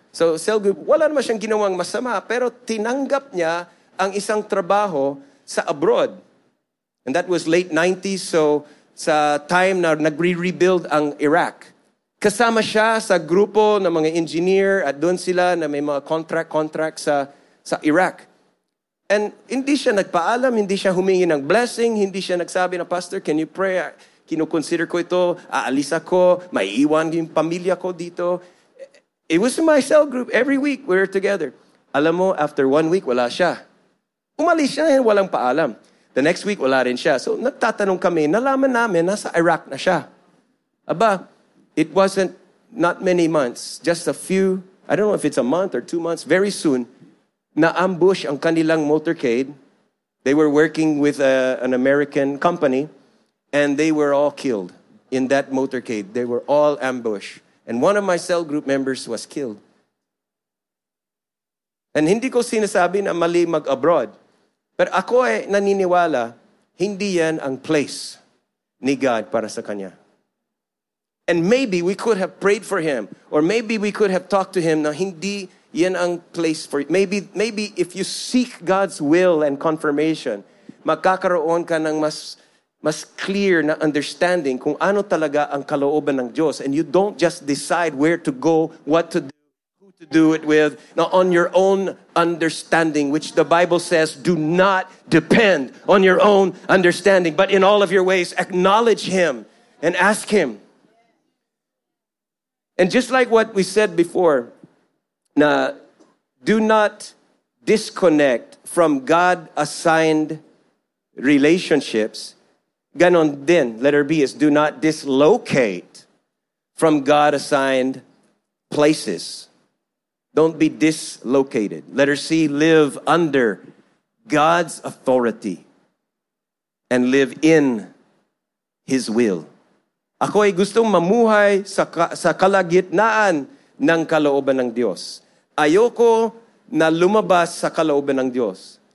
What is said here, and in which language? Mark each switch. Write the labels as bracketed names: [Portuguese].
[Filipino] So cell group, wala naman siyang ginawang masama, pero tinanggap niya ang isang trabaho sa abroad. [English] And that was late 90s, so [Filipino] sa time na nagre-rebuild ang Iraq. Kasama siya sa grupo ng mga engineer at doon sila na may mga contract sa Iraq. And hindi siya nagpaalam, hindi siya humingi ng blessing, hindi siya nagsabi na, Pastor, [English] can you pray? [Filipino] Kinukonsider ko ito, aalis ako, may iwan yung pamilya ko dito. [English] It was in my cell group. Every week, we were together. [Filipino] Alam mo, after 1 week, wala siya. Umalis siya and walang paalam. [English] The next week, [Filipino] wala rin siya. So, nagtatanong kami, nalaman namin, nasa Iraq na siya. [English] Aba, it wasn't not many months, just a few, I don't know if it's a month or 2 months, very soon, [Filipino] na-ambush ang kanilang motorcade. [English] They were working with an American company and they were all killed in that motorcade. They were all ambushed. And one of my cell group members was killed. [Filipino] And hindi ko sinasabi na mali mag-abroad. But ako ay naniniwala, hindi yan ang place ni God para sa kanya. [English] And maybe we could have prayed for him. Or maybe we could have talked to him [Filipino] na hindi yan ang [English] place for you. Maybe if you seek God's will and confirmation, [Filipino] makakaroon ka ng mas clear na understanding kung ano talaga ang kalooban ng Diyos. [English] And you don't just decide where to go, what to do, who to do it with. Now, on your own understanding, which the Bible says, do not depend on your own understanding. But in all of your ways, acknowledge Him and ask Him. And just like what we said before, na do not disconnect from God-assigned relationships. [Filipino] Ganon din, [English] letter B is do not dislocate from God-assigned places. Don't be dislocated. Letter C, live under God's authority and live in His will. [Filipino] Ako'y gustong mamuhay sa kalagitnaan ng kalooban ng Diyos. Ayoko na lumabas sa kalooban ng Diyos.